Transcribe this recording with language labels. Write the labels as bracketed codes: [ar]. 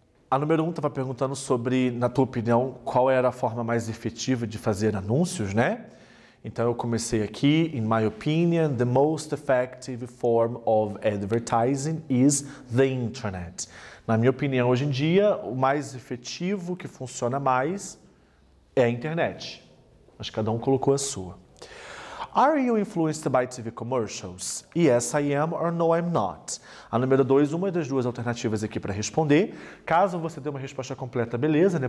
[pt] A número 1 estava perguntando sobre, na tua opinião, qual era a forma mais efetiva de fazer anúncios, né? Então, eu comecei aqui, [en] in my opinion, the most effective form of advertising is the internet. [pt] Na minha opinião, hoje em dia, o mais efetivo, que funciona mais, é a internet. Mas cada um colocou a sua. [en] Are you influenced by TV commercials? Yes, I am or no, I'm not. [pt] A número 2, uma das duas alternativas aqui para responder. Caso você dê uma resposta completa, [en] beleza, [pt] né?